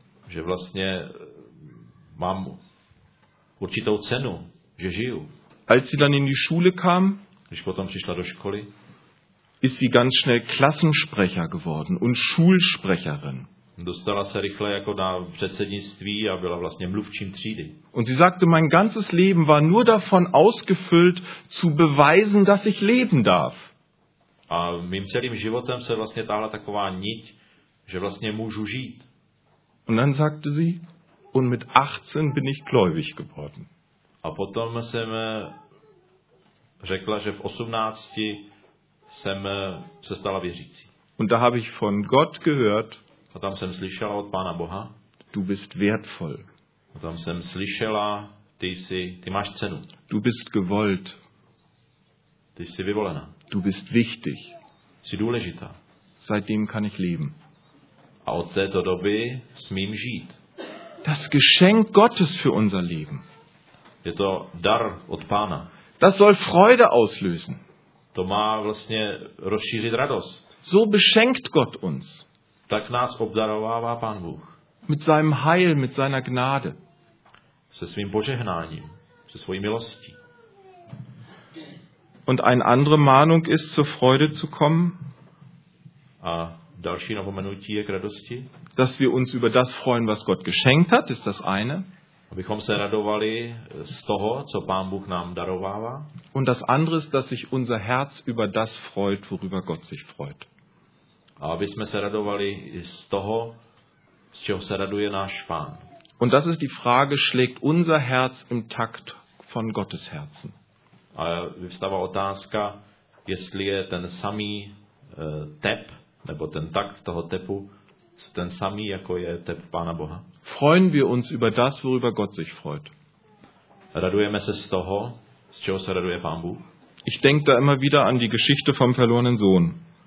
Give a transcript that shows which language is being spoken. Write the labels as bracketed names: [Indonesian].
[Czech] Že vlastně mám určitou cenu, že žiju. [German] Als sie dann in die Schule kam, [Czech] když potom přišla do školy, [German] ist sie ganz schnell Klassensprecher geworden und Schulsprecherin. [Czech] Dostala se rychle jako na předsednictví a byla vlastně mluvčím třídy. [German] Und sie sagte, mein ganzes Leben war nur davon ausgefüllt, zu beweisen, dass ich leben darf. [Czech] A mým celým životem se vlastně táhla taková niť, že vlastně můžu žít. [German] Und dann sagte sie, und mit 18 bin ich gläubig geworden. [Czech] A potom jsem řekla, že v 18 jsem se stala věřící. [German] Und da habe ich von Gott gehört. [Czech] A tam jsem slyšela od Pána Boha. [German] Du bist wertvoll. [Czech] A tam jsem slyšela, ty máš cenu. [German] Du bist gewollt. [Czech] Ty jsi vyvolená. [German] Du bist wichtig. [Czech] Jsi důležitá. [German] Seitdem kann ich leben. [Czech] A od této doby smím žít. [German] Das Geschenk Gottes für unser Leben. [Czech] Je to dar od Pána. [German] Das soll Freude auslösen. [Czech] To má vlastně rozšířit radost. [German] So beschenkt Gott uns. [Czech] Tak nás obdarovává Pán Bůh. [German] Mit seinem Heil, mit seiner Gnade. [Czech] Se svým požehnáním, se svojí milostí. [German] Und eine andere Mahnung ist, zur Freude zu kommen. [Czech] A další napomenutí je k radosti. [German] Dass wir uns über das freuen, was Gott geschenkt hat, ist das eine. [Czech] Abychom se radovali z toho, co Pán Bůh nám darovává. [German] Und das andere ist, dass sich unser Herz über das freut, worüber Gott sich freut. [Czech] A abychom se radovali z toho, z čeho se raduje náš Pán. [German] Und das ist die Frage, schlägt unser Herz im Takt von Gottes Herzen. [Czech] A vyvstává otázka, jestli je ten samý tep, nebo ten takt toho tepu, ten samý, jako je tep Pána Boha. [German] Freuen wir uns über das, worüber Gott sich freut. [Czech] Radujeme se z toho, z čeho se raduje Pán Bůh. [German] Ich denke da immer wieder an die Geschichte vom verlorenen Sohn.